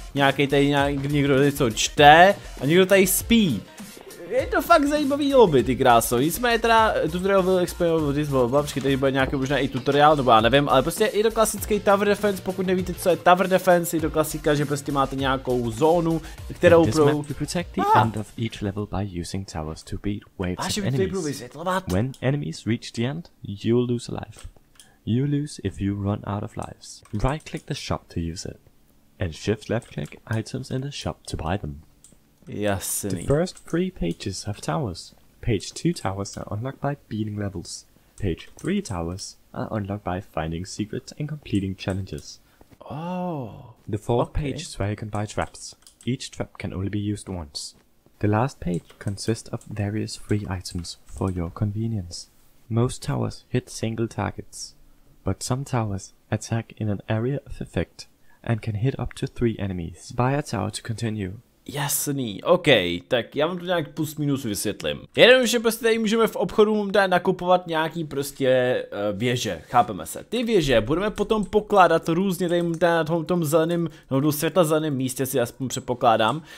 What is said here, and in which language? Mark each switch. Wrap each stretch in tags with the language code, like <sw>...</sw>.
<cs>Nějaký tady někdo něco čte a někdo tady spí. Je to fakt zajímavý lobby, ty kráso. Nicméně teda tutorial byl explainovat, protože tady bude nějaký možná i tutoriál, nebo já nevím, ale prostě je to klasický Tower Defense, pokud nevíte, co je Tower Defense, je to klasika, že prostě máte nějakou zónu, kterou pro...</cs> <en>To protect the end of each level by using towers to beat waves of enemies. When enemies reach the end, you lose a life. You lose if you run out of lives. Right click the shop to use it. And shift left click items in the shop to buy them.</en> <cs>Jasný.</cs> <en>The first three pages have towers. Page 2 towers are unlocked by beating levels. Page 3 towers are unlocked by finding secrets and completing challenges. Oh. The fourth page is where you can buy traps. Each trap can only be used once. The last page consists of various free items for your convenience. Most towers hit single targets. But some towers attack in an area of effect and can hit up to 3 enemies. Buy a tower to continue.</en> <cs>Jasný, ok, tak já vám to nějak plus minus vysvětlím. Jenom, že prostě tady můžeme v obchodu nakupovat nějaký prostě věže, chápeme se. Ty věže budeme potom pokládat různě tady na tom zeleném, no světla zeleném místě si aspoň předpokládám.</cs>